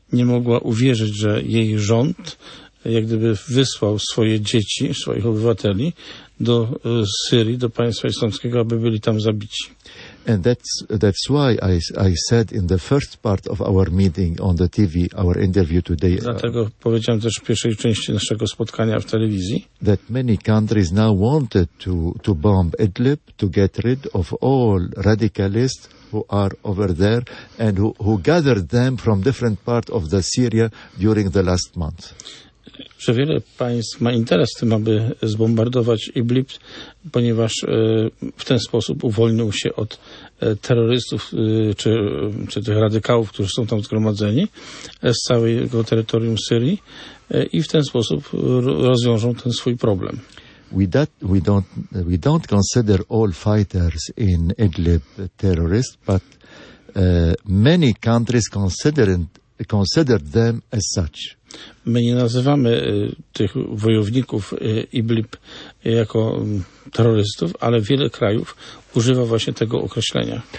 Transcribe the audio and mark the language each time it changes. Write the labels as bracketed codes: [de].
[pl] Nie mogła uwierzyć, że jej rząd jak gdyby wysłał swoje dzieci, swoich obywateli do Syrii, do państwa islamskiego, aby byli tam zabici. [en] And that's why I said in the first part of our meeting on the TV, our interview today. [pl] Dlatego powiedziałem też w pierwszej części naszego spotkania w telewizji. [en] That many countries now wanted to bomb Idlib to get rid of all radicalists who are over there and who gathered them from different parts of the Syria during the last month. [pl] Że wiele państw ma interes w tym, aby zbombardować Idlib, ponieważ w ten sposób uwolnił się od terrorystów czy tych radykałów, którzy są tam zgromadzeni z całego terytorium Syrii. i w ten sposób rozwiążą ten swój problem. [en] We don't consider all fighters in Idlib terrorists, but many countries consider them as such. [pl] My nie nazywamy tych wojowników Idlib jako terrorystów, ale wiele krajów używa właśnie tego określenia.